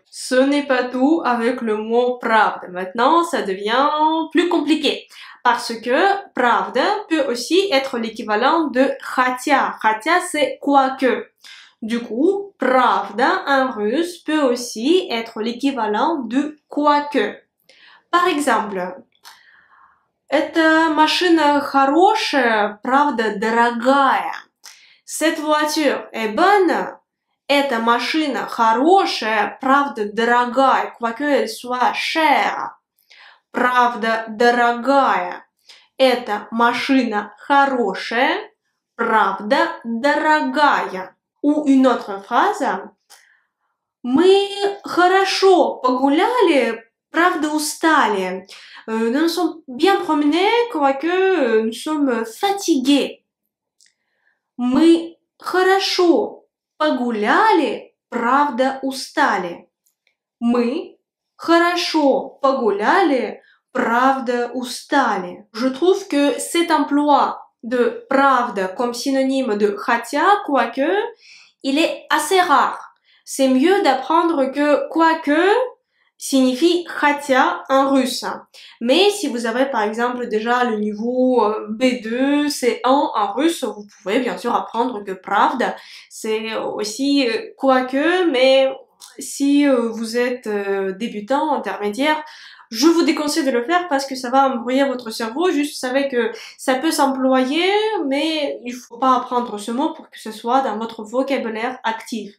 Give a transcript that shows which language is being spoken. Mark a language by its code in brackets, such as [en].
[fr] Ce n'est pas tout avec le mot правда. Maintenant, ça devient plus compliqué. Parce que правда peut aussi être l'équivalent de хотя. Хотя, c'est quoique. Du coup, правда en russe peut aussi être l'équivalent de quoique. Par exemple, [ru] эта машина хорошая, правда дорогая. [fr] Cette voiture est bonne. [ru] Эта машина хорошая, правда дорогая. [fr] Quoique elle soit chère. [ru] Правда дорогая. Эта машина хорошая, правда дорогая. [fr] Ou une autre phrase. [ru] Мы хорошо погуляли, правда устали. [fr] Nous nous sommes bien promenés, quoique nous sommes fatigués. [ru] Мы хорошо погуляли, правда устали. Мы хорошо погуляли, правда устали. [fr] Je trouve que cet emploi de правда comme synonyme de хотя, quoique, il est assez rare. C'est mieux d'apprendre que quoique signifie хотя en russe. Mais si vous avez par exemple déjà le niveau B2, C1 en russe, vous pouvez bien sûr apprendre que правда, c'est aussi quoique, mais si vous êtes débutant, intermédiaire, je vous déconseille de le faire parce que ça va embrouiller votre cerveau, juste vous savez que ça peut s'employer, mais il ne faut pas apprendre ce mot pour que ce soit dans votre vocabulaire actif.